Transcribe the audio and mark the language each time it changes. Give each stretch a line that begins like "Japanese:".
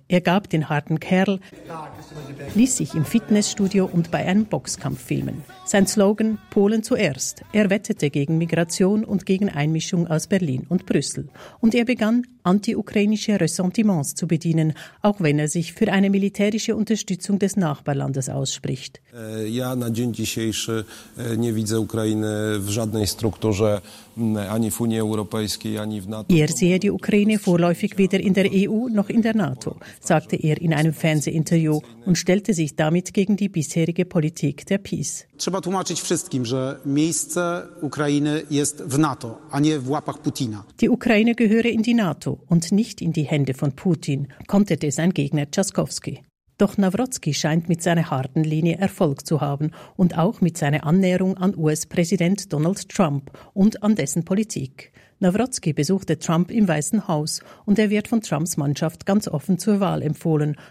German: Er gab den harten Kerl, ließ sich im Fitnessstudio und bei einem Boxkampf filmen. Sein Slogan: Polen zuerst. Er wettete gegen Migration und gegen Einmischung aus Berlin und Brüssel. Und er begann, anti-ukrainische Ressentiments zu bedienen, auch wenn er sich für eine militärische Unterstützung des Nachbarlandes ausspricht.
Polish: Ja, na dzień dzisiejszy nie widzę Ukrainy w żadnej strukturze, ani w Unii Europejskiej, ani w NATO.
German: Er sehe die Ukraine vorläufig weder in der EU noch in der NATO, sagte er in einem Fernsehinterview und stellte sich damit gegen die bisherige Politik der PiS.
Polish: Trzeba tłumaczyć wszystkim, że miejsce Ukrainy jest w NATO, a nie w łapach Putina.
German: Die Ukraine gehöre in die NATO und nicht in die Hände von Putin, konterte sein Gegner Trzaskowski. Doch Nawrocki scheint mit seiner harten Linie Erfolg zu haben und auch mit seiner Annäherung an US-Präsident Donald Trump und an dessen Politik. Nawrocki besuchte Trump im Weißen Haus und er wird von Trumps Mannschaft ganz offen zur Wahl empfohlen.